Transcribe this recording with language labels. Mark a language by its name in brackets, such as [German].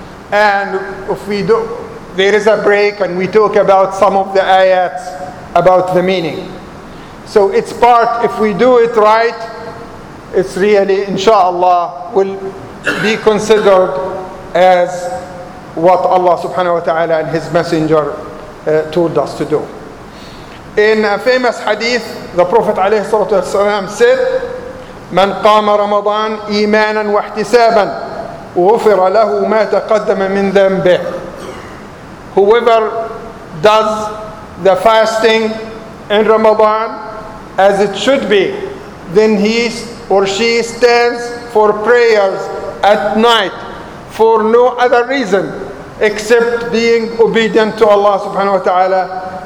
[English] And if we do, there is a break, and we talk about some of the ayats, about the meaning. So it's part, if we do it right, it's really, inshallah, will be considered as what Allah subhanahu wa ta'ala and His Messenger told us to do. In a famous hadith, the Prophet عليه [Arabic] الصلاة والسلام said, من قام رمضان إيمانا واحتسابا غفر له ما تقدم من ذنبه. [English] Whoever does the fasting in Ramadan as it should be, then he or she stands for prayers at night for no other reason except being obedient to Allah subhanahu wa ta'ala.